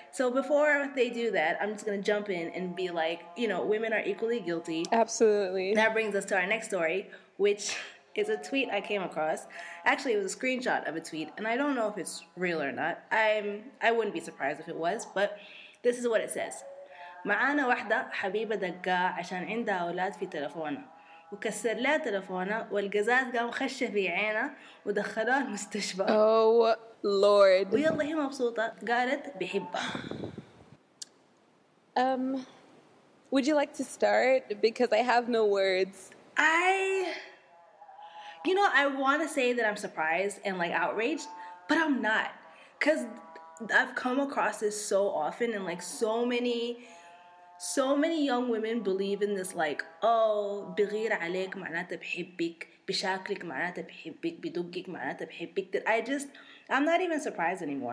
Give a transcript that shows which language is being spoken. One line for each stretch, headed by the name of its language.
English: So before they do that, I'm just going to jump in and be like, you know, women are equally guilty. Absolutely. That brings us to our next story, which... It's a tweet I came across. Actually, it was a screenshot of a tweet, and I don't know if it's real or not. I wouldn't be surprised if it was, but this is what it says.
Arabic: معانا واحدة حبيبة دقة عشان عندها أولاد في تلفونها وكسر لها تلفونها والقزاز قام خش في عينها ودخلها المستشفى.
English: Oh, Lord.
Arabic: ويلا هي مبسوطة قالت بحبها.
English: Would you like to start? Because I have no words. I... You know, I want to say that I'm surprised and, like, outraged, but I'm not. Because I've come across this so often, and, like, so many young women believe in this, like, oh,
Arabic: بغير عليك معناته بحبك,
English: بشكلك معناته بحبك, بدقك معناته بحبك, that I just, I'm not even surprised anymore.